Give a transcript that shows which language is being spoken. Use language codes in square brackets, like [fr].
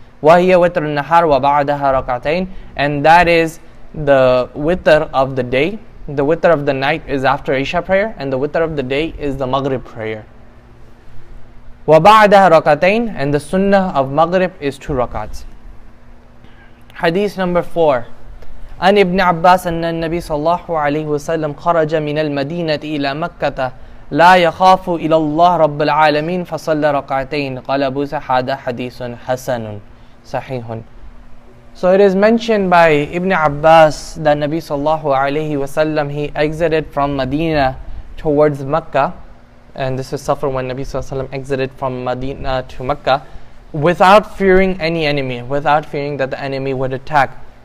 [ar] وَهِيَ وَتْرُ النَّهَارُ وَبَعْدَهَا رَكَعْتَيْنِ. [en] And that is the witr of the day. The witr of the night is after Isha prayer, and the witr of the day is the Maghrib prayer. [ar] وَبَعْدَهَا رَكَعْتَيْنِ. [en] And the sunnah of Maghrib is two rak'ats. Hadith number 4. [ar] عن ابن عباس أن النبي صلى الله عليه وسلم خرج من المدينة إلى مكة لا يخاف إلى الله رب العالمين فصلى ركعتين قال أبو سعيد حديث حسن صحيح. [en] So it is mentioned by Ibn Abbas that Nabi صلى الله عليه وسلم, he exited from Medina towards Mecca, and this is suffer when Nabi صلى الله عليه وسلم exited from Medina to Mecca without fearing any enemy, without fearing that the enemy would attack.